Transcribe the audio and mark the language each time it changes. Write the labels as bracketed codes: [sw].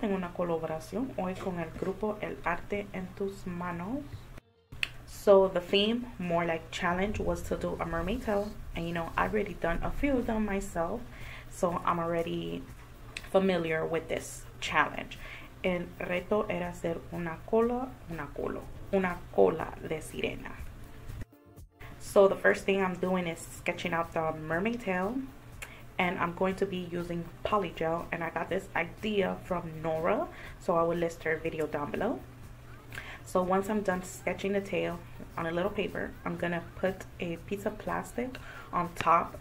[es] Tengo una colaboración hoy con el grupo El Arte en Tus Manos. [en] So the theme, more like challenge, was to do a mermaid tail. And you know, I've already done a few of them myself. So I'm already familiar with this challenge. [es] El reto era hacer una cola de sirena. [en] So the first thing I'm doing is sketching out the mermaid tail, and I'm going to be using Polygel, and I got this idea from Nora, so I will list her video down below. So once I'm done sketching the tail on a little paper, I'm gonna put a piece of plastic on top.